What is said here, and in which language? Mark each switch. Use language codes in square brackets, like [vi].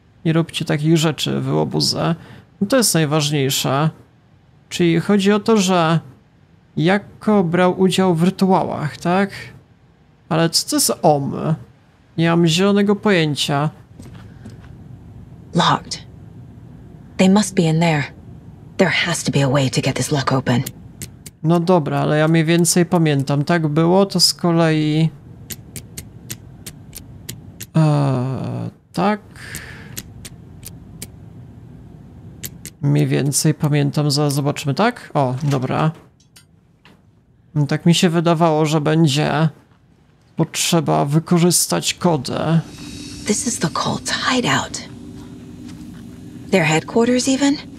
[pl] Nie róbcie takich rzeczy, wyłobuze. No to jest najważniejsze. Czyli chodzi o to, że Jako brał udział w rytuałach, tak? Ale co to jest OM? Nie mam zielonego pojęcia. [en] Locked. They must be in there. There has to be a way to get this lock open. [pl] No dobra, ale ja mniej więcej pamiętam. Tak było, to z kolei... tak... Mniej więcej pamiętam, zaraz zobaczymy, tak? O, dobra. Tak mi się wydawało, że będzie... potrzeba wykorzystać kodę. [en] This is the cult hideout. Their headquarters even?